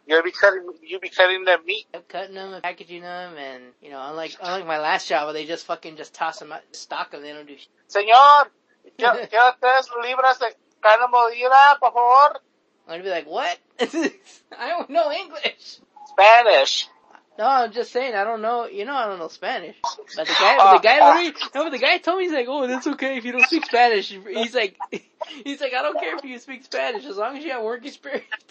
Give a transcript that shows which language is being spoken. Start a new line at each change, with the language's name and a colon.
English: You'll be cutting their meat. I'm cutting them and packaging them and, you know, unlike my last job where they just fucking just toss them out, stock them, they don't do shit.
Spanish: Señor, ¿qué tres libras de carne molida, por favor?
English: I'm gonna be like, what? I don't know English. Spanish. No, I'm just saying, I don't know, you know I don't know Spanish. But the guy told me, he's like, oh, that's okay if you don't speak Spanish. He's like, I don't care if you speak Spanish, as long as you have work experience.